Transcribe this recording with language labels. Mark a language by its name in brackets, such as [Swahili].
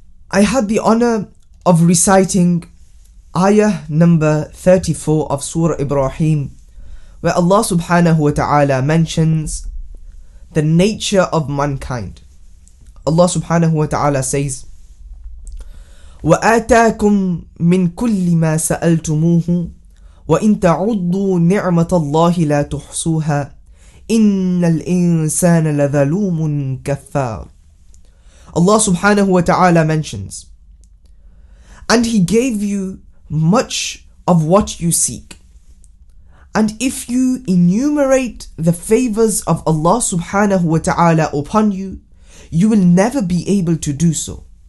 [English] I had the honor of reciting Ayah number 34 of Surah Ibrahim, where Allah subhanahu wa ta'ala mentions the nature of mankind. Allah subhanahu wa ta'ala says, [Arabic] وَآتَاكُمْ مِنْ كُلِّ مَا سَأَلْتُمُوهُ وَإِنْ تَعُدُّوا نِعْمَةَ اللَّهِ لَا تُحْصُوهَا إِنَّ الْإِنسَانَ لَظَلُومٌ كَفَّارٌ. [English] Allah subhanahu wa ta'ala mentions, and He gave you much of what you seek. And if you enumerate the favors of Allah subhanahu wa ta'ala upon you, you will never be able to do so.